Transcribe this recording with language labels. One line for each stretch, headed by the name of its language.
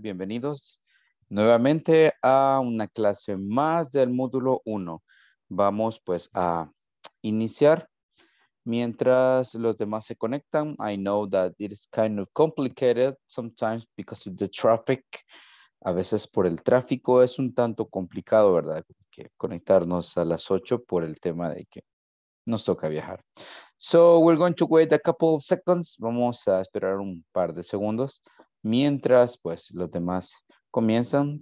Spanish: Bienvenidos nuevamente a una clase más del módulo 1. Vamos pues a iniciar mientras los demás se conectan.
English: I know that it is kind of complicated sometimes because of the traffic.
Spanish: A veces por el tráfico es un tanto complicado, ¿verdad? Conectarnos a las 8 por el tema de que nos toca viajar.
English: So we're going to wait a couple of seconds.
Spanish: Vamos a esperar un par de segundos mientras pues los demás comienzan.